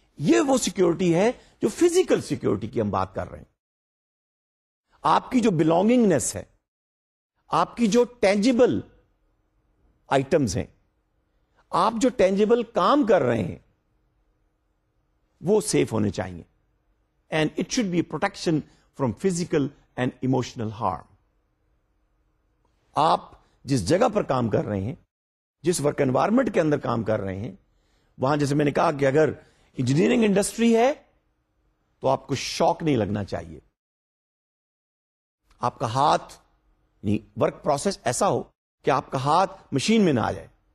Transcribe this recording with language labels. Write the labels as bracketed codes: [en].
[ur] یہ وہ سیکیورٹی ہے جو فزیکل سیکیورٹی کی ہم بات کر رہے ہیں. آپ کی جو بلونگنگنیس ہے, آپ کی جو ٹینجیبل آئٹمس ہیں, آپ جو ٹینجیبل کام کر رہے ہیں, وہ سیف ہونے چاہیے. [en] And it should be protection from physical and emotional harm. [ur] آپ جس جگہ پر کام کر رہے ہیں, جس ورک انوائرمنٹ کے اندر کام کر رہے ہیں, وہاں جیسے میں نے کہا کہ اگر انجینئرنگ انڈسٹری ہے تو آپ کو شاک نہیں لگنا چاہیے. آپ کا ہاتھ, ورک پروسیس ایسا ہو کہ آپ کا ہاتھ مشین میں نہ آ جائے.